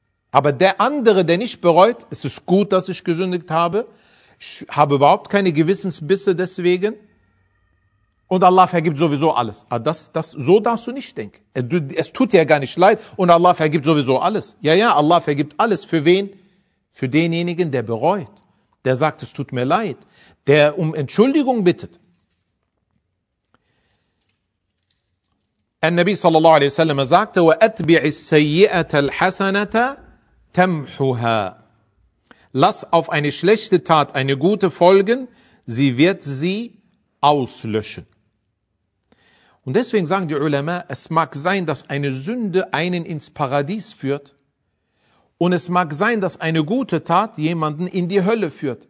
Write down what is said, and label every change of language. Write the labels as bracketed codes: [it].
[de] Aber der andere, der nicht bereut, es ist gut, dass ich gesündigt habe, ich habe überhaupt keine Gewissensbisse deswegen und Allah vergibt sowieso alles. So darfst du nicht denken. Es tut dir gar nicht leid und Allah vergibt sowieso alles. Ja, Allah vergibt alles. Für wen? Für denjenigen, der bereut, der sagt, es tut mir leid, der um Entschuldigung bittet. [ar] النبي صلى الله عليه وسلم [de] sagt, [ar] وأتبع السيئة الحسنة تمحها. [de] Lass auf eine schlechte Tat eine gute folgen, sie wird sie auslöschen. Und deswegen sagen die Ulama, es mag sein, dass eine Sünde einen ins Paradies führt. Und es mag sein, dass eine gute Tat jemanden in die Hölle führt.